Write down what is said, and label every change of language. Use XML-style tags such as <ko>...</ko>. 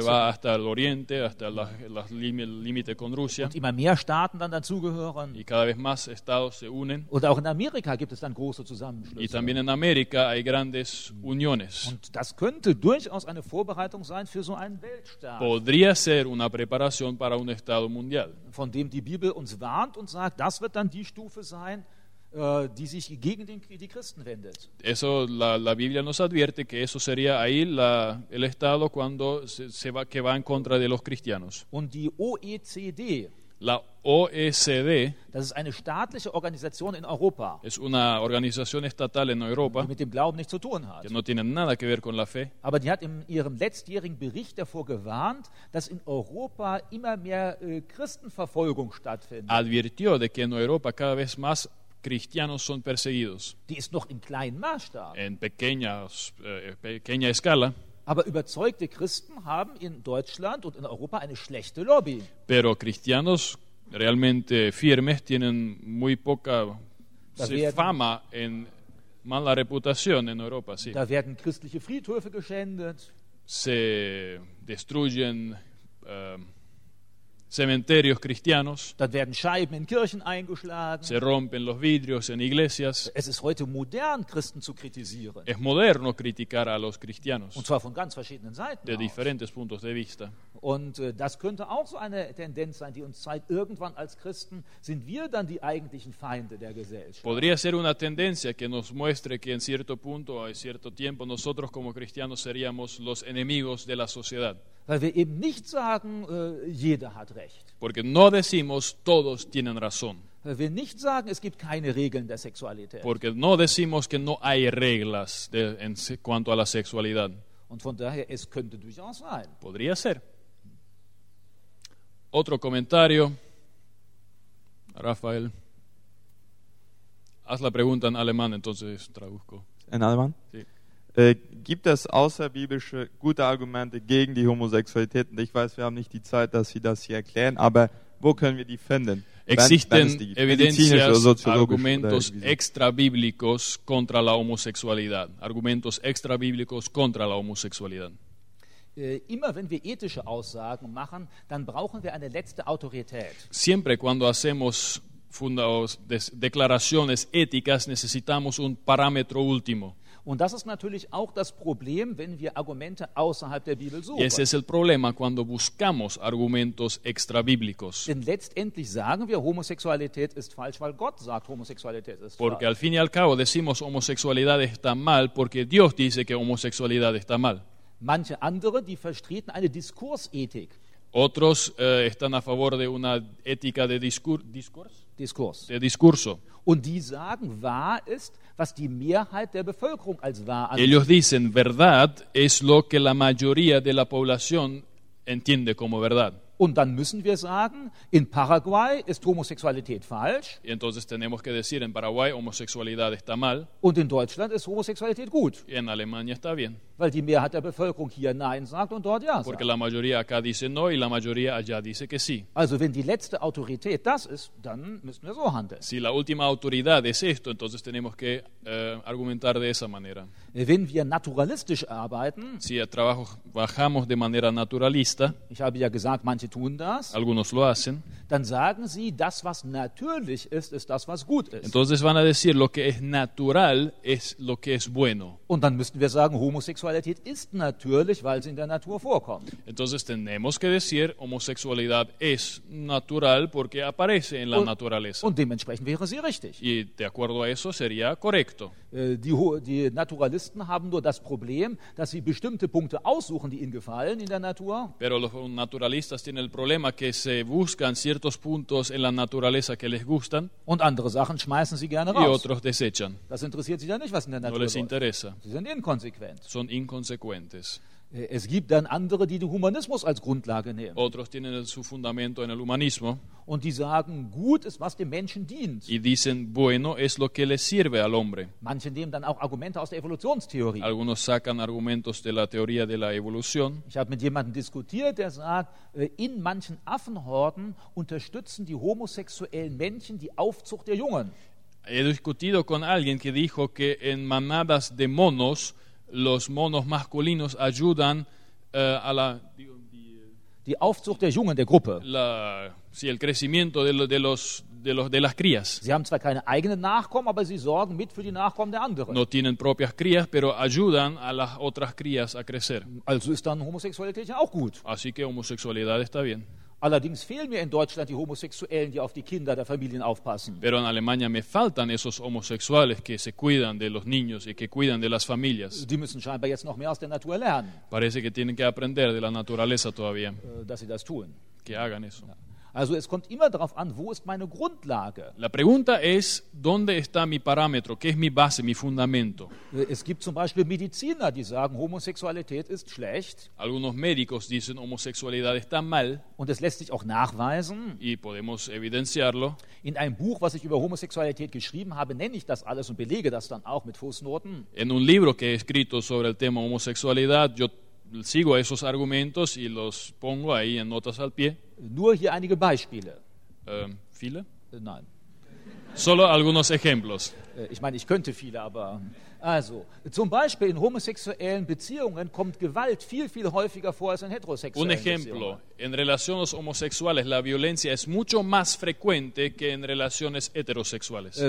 <es>Que va hasta el Oriente, hasta la límite con Rusia.</es> <de>Und immer mehr Staaten dann dazugehören.</de> <es>Y cada vez más estados se unen.</es> <de>Und auch in Amerika gibt es dann große Zusammenschlüsse.</de> <es>Y también en América hay grandes uniones.</es> <de>Und das könnte durchaus eine Vorbereitung sein für so einen Weltstaat.</de> <es>Podría ser una preparación para un estado mundial.</es> <de>Von dem die Bibel uns warnt und sagt, das wird dann die Stufe sein, die sich gegen die Christen wendet.</de> <es>Eso la Biblia nos advierte que eso sería ahí el estado cuando se va en contra de los cristianos.</es> <de>Und die OECD.</de> <es>La OECD.</es> <de>Das ist eine staatliche Organisation in Europa.</de> <es>Es una organización estatal en Europa.</es> <de>Die mit dem Glauben nichts zu tun hat.</de> <es>Que no tiene nada que ver con la fe.</es> <de>Aber die hat in ihrem letztjährigen Bericht davor gewarnt, dass in Europa immer mehr Christenverfolgung stattfindet.</de> <es>Advirtió de que en Europa cada vez más cristianos son perseguidos.</es> <de>Die ist noch in kleinen Maßstab.</de> <es>En pequeña escala.</es> <de>Aber überzeugte Christen haben in Deutschland und in Europa eine schlechte Lobby.</de> <es>Pero cristianos realmente firmes tienen muy poca fama en mala reputación en Europa, sí.</es> <de>Da werden christliche Friedhöfe geschändet.</de> <es>Se destruyen cementerios cristianos.</es> <de>Da werden Scheiben in Kirchen eingeschlagen.</de> <es>Se rompen los vidrios en iglesias.</es> <de>Es ist heute modern, Christen zu kritisieren.</de> <es>Es moderno criticar a los cristianos.</es> <de>Und zwar von ganz verschiedenen Seiten.</de> <es>De diferentes puntos de vista.</es> <de>Und das könnte auch so eine Tendenz sein, die uns zeigt, irgendwann als Christen sind wir dann die eigentlichen Feinde der Gesellschaft.</de> <es>Podría ser una tendencia que nos muestre que en cierto punto o en cierto tiempo nosotros como cristianos seríamos los enemigos de la sociedad.</es> <de>Weil wir eben nicht sagen, jeder hat recht.</de> <es>Porque no decimos todos tienen razón.</es> <de>Weil wir nicht sagen, es gibt keine Regeln der Sexualität.</de> <es>Porque no decimos que no hay reglas en cuanto a la sexualidad.</es> <de>Und von daher, es könnte durchaus sein.</de> <es>Podría ser. Otro comentario. Rafael. Haz la pregunta en alemán, entonces traduzco. ¿En alemán? Sí.</es> <de>Gibt es außerbiblische gute Argumente gegen die Homosexualität? Und ich weiß, wir haben nicht die Zeit, dass Sie das hier erklären, aber wo können wir die finden?</de> <es>Existen evidencias, argumentos extrabíblicos contra la homosexualidad. Argumentos extrabíblicos contra la homosexualidad.</es> <de>Immer wenn wir ethische Aussagen machen, dann brauchen wir eine letzte Autorität.</de> <es>Siempre cuando hacemos Deklarationen éticas necesitamos un parámetro último.</es> <de>Und das ist natürlich auch das Problem, wenn wir Argumente außerhalb der Bibel suchen.</de> <es>Ese es el problema cuando buscamos argumentos extrabíblicos.</es> <de>Denn letztendlich sagen wir, Homosexualität ist falsch, weil Gott sagt, Homosexualität ist falsch.</de> <es>Porque al fin y al cabo decimos homosexualidad está mal porque Dios dice que homosexualidad está mal.</es> <de>Manche andere, die vertreten eine Diskursethik.</de> <es>Otros están a favor de una ética de discurso.</es> <de>Diskurs.</de> <es>De discurso.</es> <de>Und die sagen, wahr ist, was die Mehrheit der Bevölkerung als wahr ansieht.</de> <es>Ellos dicen, verdad es lo que la mayoría de la población entiende como verdad.</es> <de>Und dann müssen wir sagen, in Paraguay ist Homosexualität falsch.</de> <es>Y entonces tenemos que decir, en Paraguay homosexualidad está mal.</es> <de>Und in Deutschland ist Homosexualität gut.</de> <es>Y en Alemania está bien.</es> <de>Weil die Mehrheit der Bevölkerung hier Nein sagt und dort Ja sagt.</de> <es>Porque la mayoría acá dice no y la mayoría allá dice que sí.</es> <de>Also wenn die letzte Autorität das ist, dann müssen wir so handeln.</de> <es>Si la última autoridad es esto, entonces tenemos que argumentar de esa manera.</es> <de>Wenn wir naturalistisch arbeiten,</de> <es>si el trabajo bajamos de manera naturalista,</es> <de>ich habe ja gesagt, manche tun das,</de> <es>algunos lo hacen,</es> <de>dann sagen sie, das, was natürlich ist, ist das, was gut ist.</de> <es>Entonces van a decir, lo que es natural es lo que es bueno.</es> <de>Und dann müssten wir sagen, Homosexualität ist natürlich, weil sie in der Natur vorkommt.</de> <es>Entonces tenemos que decir, Homosexualidad es natural porque aparece en la naturaleza.</es> <de>Und dementsprechend wäre sie richtig.</de> <es>Y de acuerdo a eso sería correcto.</es> <de>Die Naturalisten haben nur das Problem, dass sie bestimmte Punkte aussuchen, die ihnen gefallen in der Natur.</de> <es>Pero los naturalistas tienen el problema que se buscan ciertos puntos en la naturaleza que les gustan.</es> <de>Und andere Sachen schmeißen sie gerne</de> <es>y</es> <de>raus.</de> <es>Y otros desechan.</es> <de>Das interessiert sie ja nicht, was in der Natur</de> <es>no les interesa.</es> <de>Sie sind inkonsequent.</de> <es>Son inconsecuentes.</es> <de>Es gibt dann andere, die den Humanismus als Grundlage nehmen.</de> <es>Otros tienen su fundamento en el humanismo.</es> <de>Und die sagen, gut ist, was dem Menschen dient.</de> <es>Y dicen, bueno es lo que le sirve al hombre.</es> <de>Manche nehmen dann auch Argumente aus der Evolutionstheorie.</de> <es>Algunos sacan argumentos de la teoría de la evolución.</es> <de>Ich habe mit jemandem diskutiert, der sagt, in manchen Affenhorden unterstützen die homosexuellen Männchen die Aufzucht der Jungen.</de> <es>He discutido con alguien que dijo que en manadas de monos los monos masculinos ayudan a la</es> <de>die Aufzucht der Jungen der Gruppe.</de> <es>La, sí, el crecimiento de las crías.</es> <de>Sie haben zwar keine eigenen Nachkommen, aber sie sorgen mit für die Nachkommen der anderen.</de> <es>No tienen propias crías, pero ayudan a las otras crías a crecer.</es> <de>Also ist dann Homosexualität ja auch gut.</de> <es>Así que homosexualidad está bien.</es> <de>Allerdings fehlen mir in Deutschland die Homosexuellen, die auf die Kinder der Familien aufpassen.</de> <es>Pero en Alemania me faltan esos homosexuales que se cuidan de los niños y que cuidan de las familias.</es> <de>Die müssen scheinbar jetzt noch mehr aus der Natur lernen.</de> <es>Parece que tienen que aprender de la naturaleza todavía.</es> <de>Dass sie das tun.</de> <es>Que hagan eso.</es> <de>Also es kommt immer darauf an, wo ist meine Grundlage?</de> <es>La pregunta es, ¿dónde está mi parámetro? ¿Qué es mi base, mi fundamento?</es> <de>Es gibt zum Beispiel Mediziner, die sagen, Homosexualität ist schlecht.</de> <es>Algunos médicos dicen, Homosexualidad está mal.</es> <de>Und es lässt sich auch nachweisen.</de> <es>Y podemos evidenciarlo.</es> <de>In einem Buch, was ich über Homosexualität geschrieben habe, nenne ich das alles und belege das dann auch mit Fußnoten.</de> <es>En un libro que he escrito sobre el tema homosexualidad, yo sigo esos argumentos y los pongo ahí en notas al pie.</es> <de>Nur hier einige Beispiele. Viele? Nein.</de> <es>Solo algunos ejemplos.</es> <de>Ich meine, ich könnte viele, aber... Also, zum Beispiel in homosexuellen Beziehungen kommt Gewalt viel, viel häufiger vor als in heterosexuellen Beziehungen.</de> <es>Un ejemplo. En relaciones homosexuales la violencia es mucho más frecuente que en relaciones heterosexuales.</es>